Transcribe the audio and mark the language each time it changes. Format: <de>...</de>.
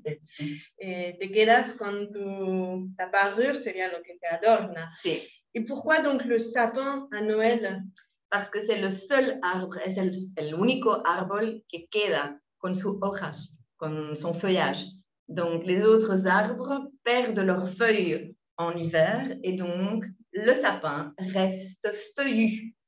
<es>Te quedas con</es> <fr>ta parure,</fr> <es>sería lo que te adorna. Sí.</es> <fr>Et pourquoi donc le sapin à Noël? Parce que c'est le seul arbre,</fr> <es>es el único árbol que queda con sus hojas, con</es> <fr>son feuillage. Donc les autres arbres perdent leurs feuilles en hiver et donc le sapin reste feuillu.</fr>